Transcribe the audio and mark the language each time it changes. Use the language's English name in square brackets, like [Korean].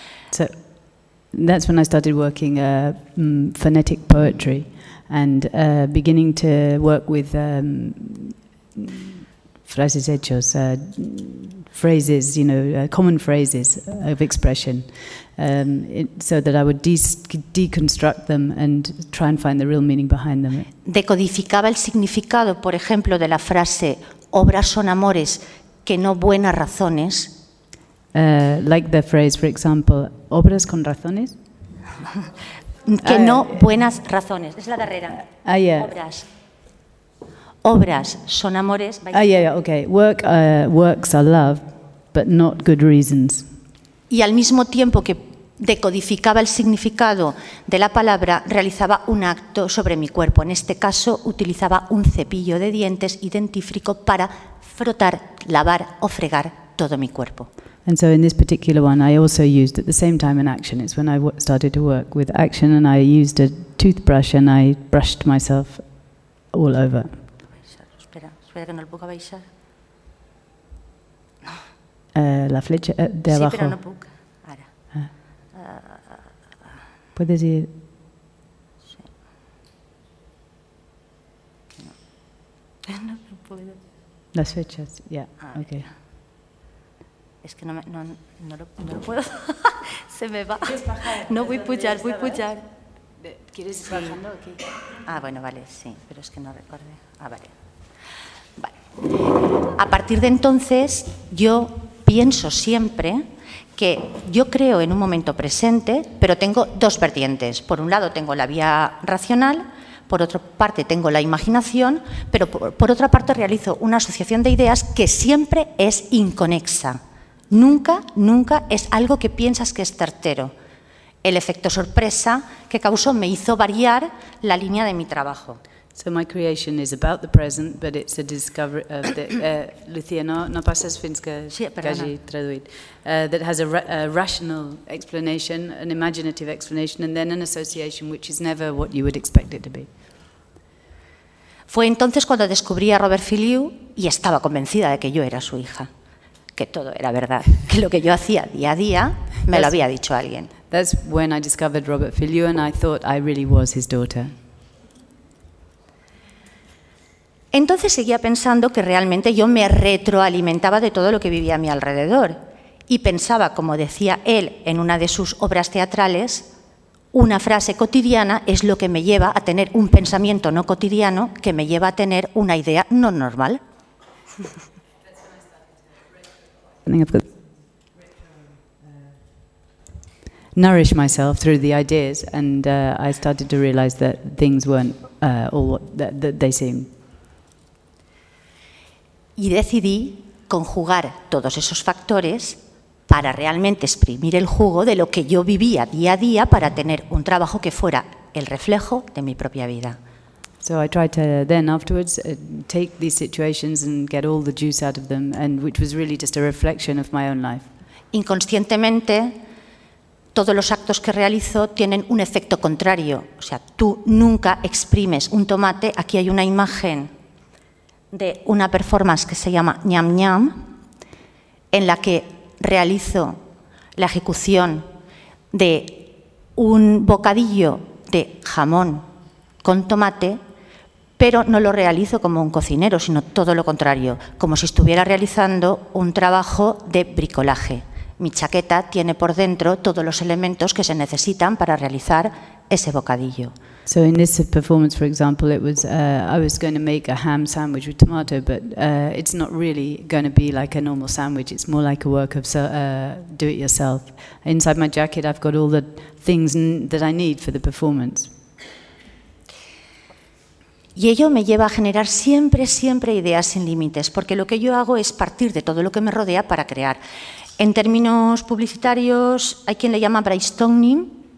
[English] So that's when I started working phonetic poetry and beginning to work with frases hechas, phrases, you know, common phrases of expression. So that I would deconstruct them and try and find the real meaning behind them. [Spanish] Decodificaba el significado, por ejemplo, de la frase "obras son amores que no buenas razones." [English] Like the phrase, for example, [Spanish] "obras con razones que no buenas razones." Es la carrera. Obras. Obras son amores. [English] Okay. Works are love, but not good reasons. [Spanish] Y al mismo tiempo que decodificaba el significado de la palabra, realizaba un acto sobre mi cuerpo. En este caso, utilizaba un cepillo de dientes y dentífrico para frotar, lavar o fregar todo mi cuerpo. [English] And so in this particular one, I also used at the same time an action. It's when I started to work with action and I used a toothbrush and I brushed myself all over. [Spanish] Espera que no lo puedo baixar. La flecha de abajo. Sí, pero no puedo. Puedes ir. No puedo. Las fechas, ya, [English] yeah. Okay. [Spanish] Es que no lo puedo. Se me va. No voy a pujar, voy a pujar. ¿Quieres ir bajando aquí? Ah, bueno, vale, sí, pero es que no recuerdo. Ah, vale. Vale. A partir de entonces, yo pienso siempre que yo creo en un momento presente, pero tengo dos vertientes. Por un lado tengo la vía racional, por otra parte tengo la imaginación, pero por otra parte realizo una asociación de ideas que siempre es inconexa. Nunca, nunca es algo que piensas que es certero. El efecto sorpresa que causó me hizo variar la línea de mi trabajo. [English] So my creation is about the present, but it's a discovery of the Lucía, [Catalan] no pases fins que hagi traduït, [English] that has a rational explanation, an imaginative explanation, and then an association which is never what you would expect it to be. [Spanish] Fue entonces cuando descubrí a Robert Filiu y estaba convencida de que yo era su hija, que todo era verdad, que lo que yo hacía día a día me lo había dicho alguien. [English] That's when I discovered Robert Filiu and I thought I really was his daughter. [Spanish] Entonces, entonces seguía pensando que realmente yo me retroalimentaba de todo lo que vivía a mi alrededor. Y pensaba, como decía él en una de sus obras teatrales, una frase cotidiana es lo que me lleva a tener un pensamiento no cotidiano que me lleva a tener una idea no normal. [English] Nourish myself through the ideas, and I started to realize that things weren't all that they seemed. [Spanish] Y decidí conjugar todos esos factores para realmente exprimir el jugo de lo que yo vivía día a día para tener un trabajo que fuera el reflejo de mi propia vida. [English] So I tried to then afterwards take these situations and get all the juice out of them, and which was really just a reflection of my own life. [Spanish] Inconscientemente, todos los actos que realizo tienen un efecto contrario. O sea, tú nunca exprimes un tomate. Aquí hay una imagen de una performance que se llama Ñam Ñam, en la que realizo la ejecución de un bocadillo de jamón con tomate, pero no lo realizo como un cocinero, sino todo lo contrario, como si estuviera realizando un trabajo de bricolaje. Mi chaqueta tiene por dentro todos los elementos que se necesitan para realizar ese bocadillo. [English] So in this performance, for example, it was I was going to make a ham sandwich with tomato, but it's not really going to be like a normal sandwich. It's more like a work of do-it-yourself. Inside my jacket, I've got all the things that I need for the performance. [Spanish] Y ello me lleva a generar siempre, siempre ideas sin límites, porque lo que yo hago es partir de todo lo que me rodea para crear. En términos publicitarios, hay quien le llama brainstorming.